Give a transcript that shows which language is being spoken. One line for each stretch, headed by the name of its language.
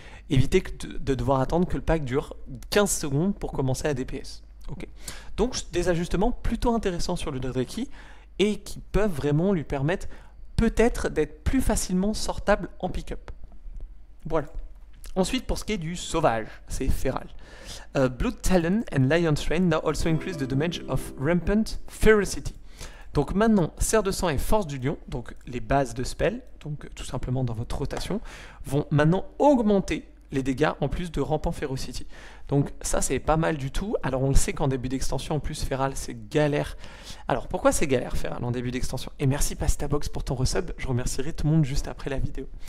French: Éviter de devoir attendre que le pack dure 15 secondes pour commencer à DPS. Okay. Donc, des ajustements plutôt intéressants sur le Dodeki et qui peuvent vraiment lui permettre peut-être d'être plus facilement sortable en pick-up. Voilà. Ensuite, pour ce qui est du sauvage, c'est Feral.
English: Blood Talon and Lion's Rain now also increase the damage of Rampant Ferocity.
French: Donc maintenant, Serre de Sang et Force du Lion, donc les bases de spell, donc tout simplement dans votre rotation, vont maintenant augmenter les dégâts en plus de Rampant Ferocity. Donc ça, c'est pas mal du tout. Alors on le sait qu'en début d'extension, en plus, Feral, c'est galère. Alors pourquoi c'est galère, Feral, en début d'extension? Et merci PastaBox pour ton resub, je remercierai tout le monde juste après la vidéo.